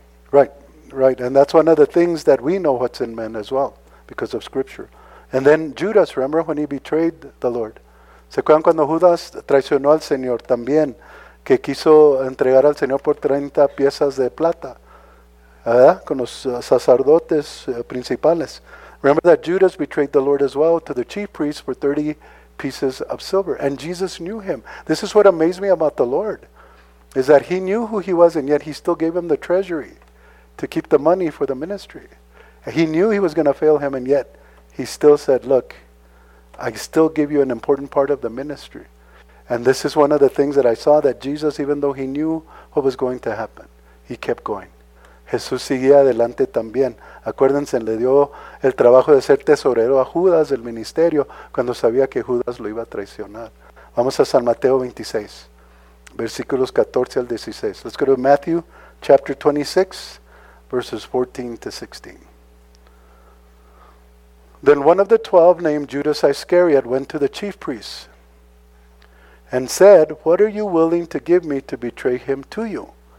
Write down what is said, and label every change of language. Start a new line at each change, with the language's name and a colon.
English: Right. And that's one of the things that we know what's in men as well, because of Scripture. And then Judas, remember when he betrayed the Lord?
Spanish: ¿Se acuerdan cuando Judas traicionó al Señor también, que quiso entregar al Señor por 30 piezas de plata? Con los sacerdotes principales.
English: Remember that Judas betrayed the Lord as well to the chief priests for 30 pieces of silver. And Jesus knew him. This is what amazed me about the Lord, is that he knew who he was, and yet he still gave him the treasury to keep the money for the ministry. He knew he was going to fail him, and yet he still said, look, I still give you an important part of the ministry. And this is one of the things that I saw, that Jesus, even though he knew what was going to happen, he kept going.
Spanish: Jesús seguía adelante también. Acuérdense, le dio el trabajo de ser tesorero a Judas del ministerio cuando sabía que Judas lo iba a traicionar. Vamos a San Mateo 26, versículos 14 al 16.
English: Let's go to Matthew chapter 26, verses 14 to 16. Then one of the 12, named Judas Iscariot, went to the chief priests and said, what are you willing to give me to betray him to you?